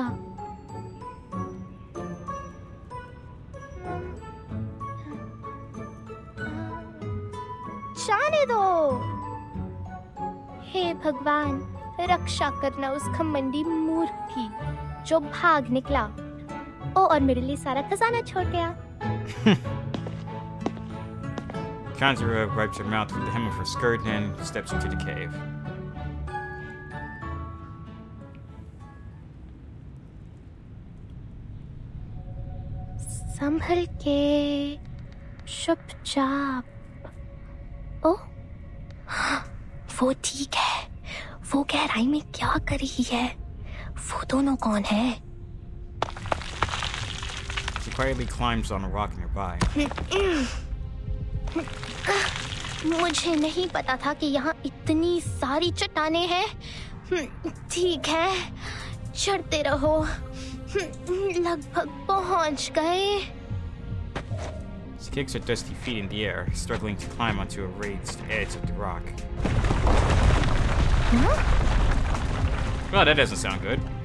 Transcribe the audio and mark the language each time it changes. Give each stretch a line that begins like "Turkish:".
Hindi: जाने दो! हे भगवान, रक्षा करना उस खमंडी मूर्ख की, जो भाग निकला, ओ और मेरे लिए सारा खजाना छोड़ गया।
English: Kanzura wipes her mouth with the hem of her skirt and steps into the cave.
Hindi: Sambhal ke, chup chap. Oh, वो ठीक है. वो गहराई में क्या कर रही है? वो दोनों कौन हैं?
English: She quietly climbs on a rock nearby.
Hindi: मुझे नहीं पता था कि यहाँ इतनी सारी चट्टानें हैं। ठीक है, चढ़ते रहो। लगभग पहुँच गए।
English: She kicks her dusty feet in the air, struggling to climb onto a raised edge of the rock. Huh? Well, that doesn't sound good.